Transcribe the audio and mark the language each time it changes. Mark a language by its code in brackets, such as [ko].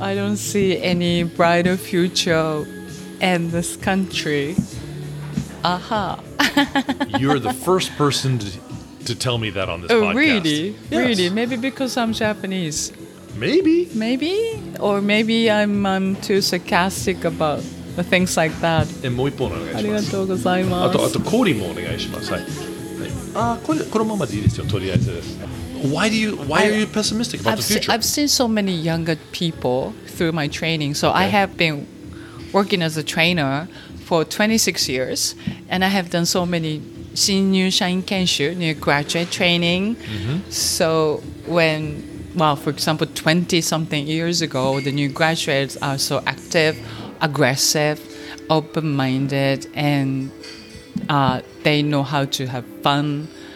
[en] I don't see any brighter future in this country. Aha. You're the first person to tell me that on this podcast. Really? Yes. Really? Maybe because I'm Japanese. Maybe. Maybe? Or maybe I'm too sarcastic about the things like that. [ja] And もう一本お願いします。ありがとうございます。あと、コーリーもお願いします。はい。このままでいいですよ、とりあえず。 [en] Why are you pessimistic about the future? I've seen so many younger people through my training. So okay. I have been working as a trainer for 26 years, and I have done so many Shinryu Shain Kenshu, new graduate training. Mm-hmm. So for example, 20 something years ago, the new graduates are so active, aggressive, open-minded, and they know how to have fun.